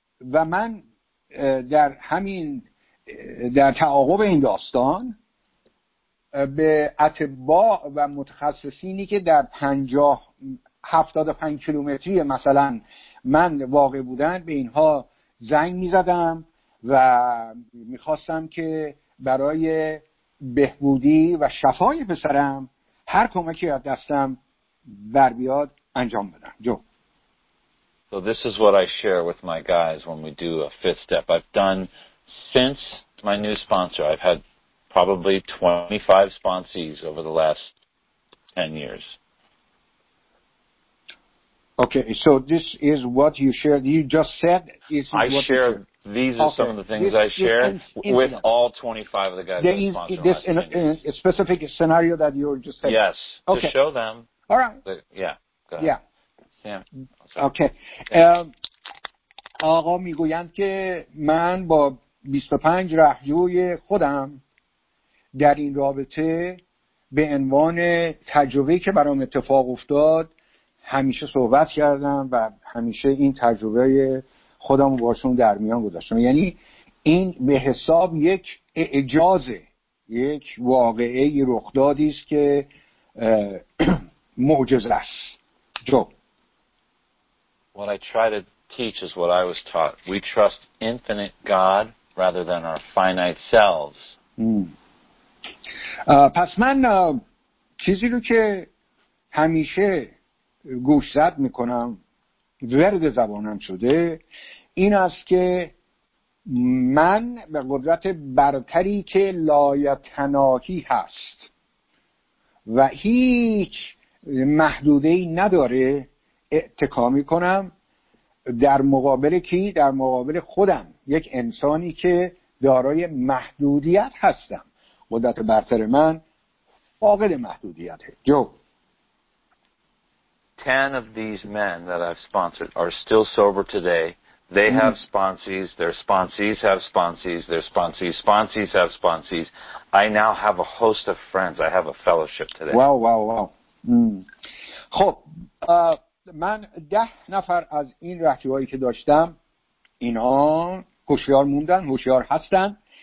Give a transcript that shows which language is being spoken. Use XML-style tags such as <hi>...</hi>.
<fa>و من در همین در تعاقب این داستان به اطباء و متخصصینی که در 50-75 کیلومتری مثلا من واقع بودن، به اینها زنگ می زدم و می خواستم که برای بهبودی و شفای پسرم هر کمکی از دستم بر بیاد انجام بدم. جو.</fa> <en>So this is what I share with my guys when we do a fifth step. I've done since my new sponsor, I've had probably 25 sponsees over the last 10 years. Okay, so this is what you shared. You just said this is what I share. These are some of the things I share with all 25 of the guys. There is this specific scenario that you're just saying. Yes, to show them. All right. Yeah.</en> <fa>Okay. آقا میگویند که من با 25 رهجوی خودم در این رابطه به عنوان تجربه‌ای که برام اتفاق افتاد همیشه صحبت کردم و همیشه این تجربه خودم رو باشون در میان گذاشتم. یعنی این به حساب یک اعجازه، یک واقعه رخدادی است که معجزه است. جو.</fa> <en>What I try to teach is what I was taught. We trust infinite God rather than our finite selves.</en> <fa>پس من چیزی رو که همیشه گوش زد میکنم ورد زبانم شده این است که من به قدرت برتری که لایتناهی هست و هیچ محدودهی نداره اتکا میکنم در مقابل کی؟ در مقابل خودم، یک انسانی که دارای محدودیت هستم. قدرت برتر من فاقد محدودیته. جو</fa> <en>10 of these men that I've sponsored are still sober today. They have sponsees, their sponsees have sponsees, their sponsees, sponsees have sponsees. I now have a host of friends. I have a fellowship today. Wow.</en> <fa>خب من 10 نفر از این رهجوهایی که داشتم اینا هوشیار موندن، هوشیار هستن.</fa>